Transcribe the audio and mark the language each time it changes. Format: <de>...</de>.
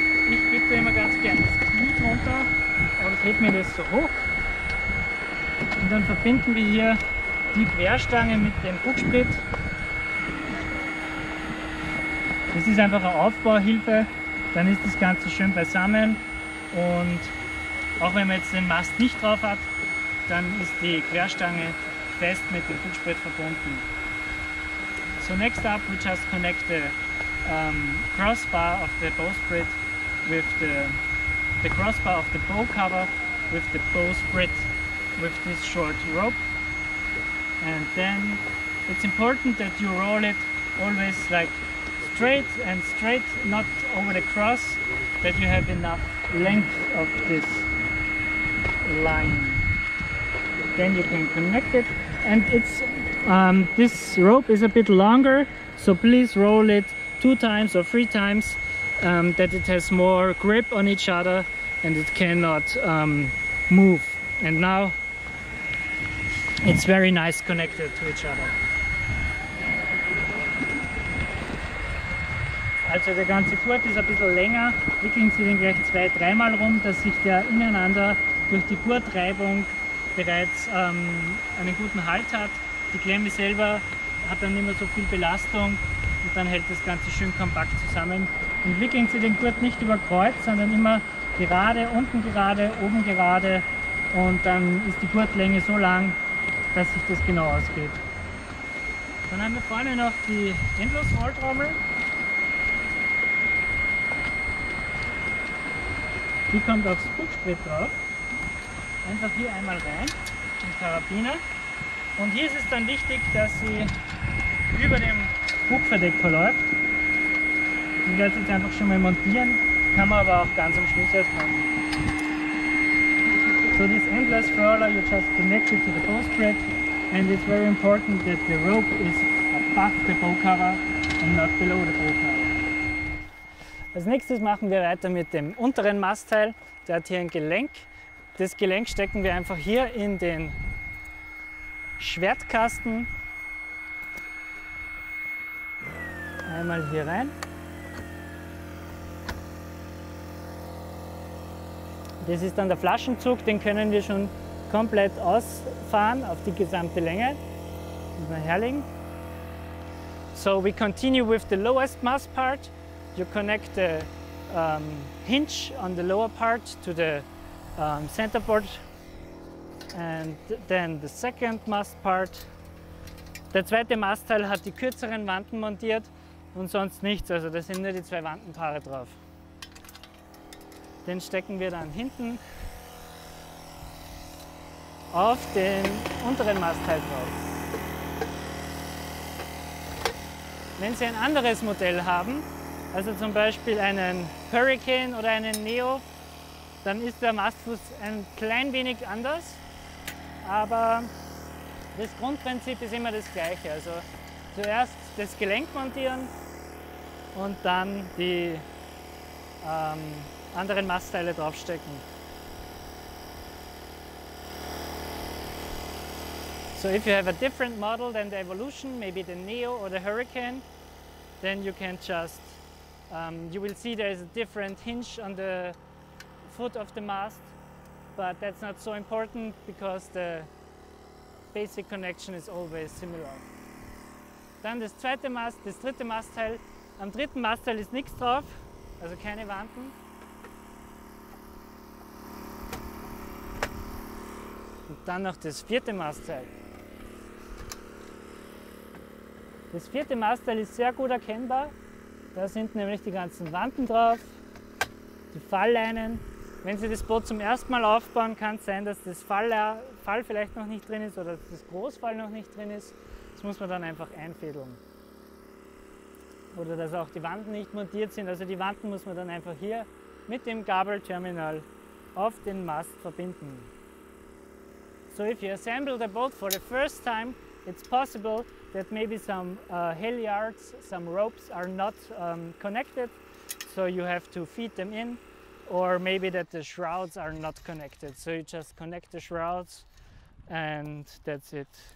<de>Ich bitte immer ganz gerne das Knie runter. Aber ich hebe mir das so hoch und dann verbinden wir hier die Querstange mit dem Bugsprit. Das ist einfach eine Aufbauhilfe, dann ist das Ganze schön beisammen und auch wenn man jetzt den Mast nicht drauf hat, dann ist die Querstange fest mit dem Bugsprit verbunden.</de> <en>So next up we just connect the crossbar of the bowsprit with the crossbar of the bow cover with the bowsprit with this short rope, and then it's important that you roll it always like straight and straight, not over the cross, that you have enough length of this line, then you can connect it. And it's this rope is a bit longer, so please roll it 2 times or 3 times that it has more grip on each other and it cannot move. And now it's very nice connected to each other.</en> <de>Also der ganze Gurt ist ein bisschen länger. Wickeln Sie den gleich 2-3 Mal rum, dass sich der ineinander durch die Gurtreibung bereits einen guten Halt hat. Die Klemme selber hat dann nicht mehr so viel Belastung und dann hält das Ganze schön kompakt zusammen. Und wickeln Sie den Gurt nicht über Kreuz, sondern immer gerade, unten gerade, oben gerade, und dann ist die Gurtlänge so lang, dass sich das genau ausgeht. Dann haben wir vorne noch die Endlos-Rolltrommel. Die kommt aufs Bugsprit drauf. Einfach hier einmal rein, den Karabiner. Und hier ist es dann wichtig, dass sie über dem Bugverdeck verläuft. Die werde ich jetzt einfach schon mal montieren. Kann man aber auch ganz am Schluss erst machen.</de> <en>So this endless furler, you just connect it to the bowsprit and it's very important that the rope is above the bow cover and not below the bow cover.</en> <de>Als nächstes machen wir weiter mit dem unteren Mastteil. Der hat hier ein Gelenk. Das Gelenk stecken wir einfach hier in den Schwertkasten. Einmal hier rein. Das ist dann der Flaschenzug, den können wir schon komplett ausfahren auf die gesamte Länge. Mal herlegen.</de> <en>So we continue with the lowest mast part. You connect the hinge on the lower part to the centerboard, and then the second mast part.</en> <de>Der zweite Mastteil hat die kürzeren Wanten montiert und sonst nichts, also da sind nur die zwei Wandenpaare drauf. Den stecken wir dann hinten auf den unteren Mastteil drauf. Wenn Sie ein anderes Modell haben, also zum Beispiel einen Hurricane oder einen Neo, dann ist der Mastfuß ein klein wenig anders, aber das Grundprinzip ist immer das gleiche. Also zuerst das Gelenk montieren und dann die anderen Mastteile draufstecken.</de> <en>So if you have a different model than the Evolution, maybe the Neo or the Hurricane, then you can just, you will see there is a different hinge on the foot of the mast, but that's not so important because the basic connection is always similar.</en> <de>Dann das zweite Mast, das dritte Mastteil. Am dritten Mastteil ist nichts drauf, also keine Wanten. Und dann noch das vierte Mastteil. Das vierte Mastteil ist sehr gut erkennbar. Da sind nämlich die ganzen Wanten drauf, die Fallleinen. Wenn Sie das Boot zum ersten Mal aufbauen, kann es sein, dass das Fall vielleicht noch nicht drin ist oder das Großfall noch nicht drin ist. Das muss man dann einfach einfädeln. Oder dass auch die Wanden nicht montiert sind. Also die Wanden muss man dann einfach hier mit dem Gabelterminal auf den Mast verbinden.</de> <en>So if you assemble the boat for the first time, it's possible that maybe some halyards, some ropes are not connected, so you have to feed them in, or maybe that the shrouds are not connected, so you just connect the shrouds and that's it.</en>